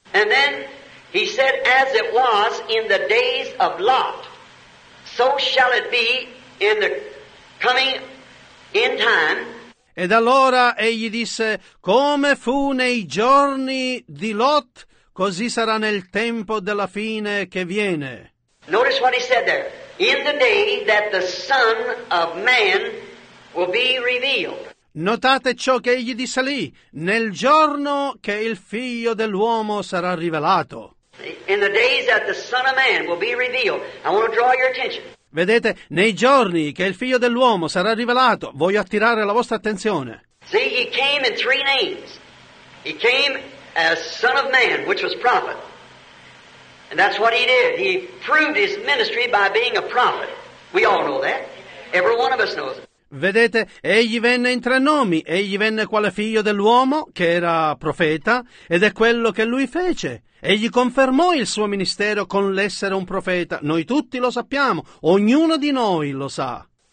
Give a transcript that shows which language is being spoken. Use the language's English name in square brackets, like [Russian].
[English] And then he said, as it was in the days of Lot, so shall it be in the coming in time. [Italian] Ed allora egli disse: come fu nei giorni di Lot, così sarà nel tempo della fine che viene. [English] Notice what he said there. in the day that the Son of Man will be revealed. [Italian] Notate ciò che egli disse lì, nel giorno che il Figlio dell'uomo sarà rivelato. [English] In the days that the Son of Man will be revealed. I want to draw your attention. [Italian] Vedete, nei giorni che il Figlio dell'uomo sarà rivelato, voglio attirare la vostra attenzione. [English] See, he came in three names. He came as Son of Man, which was prophet. And that's what he did. He proved his ministry by being a prophet. We all know that. Every one of us knows it. [Italian] Vedete, egli venne in tre nomi. Egli venne quale Figlio dell'uomo, che era profeta, ed è quello che lui fece. Egli confermò il suo ministero con l'essere un profeta. Noi tutti lo sappiamo, ognuno di noi lo sa.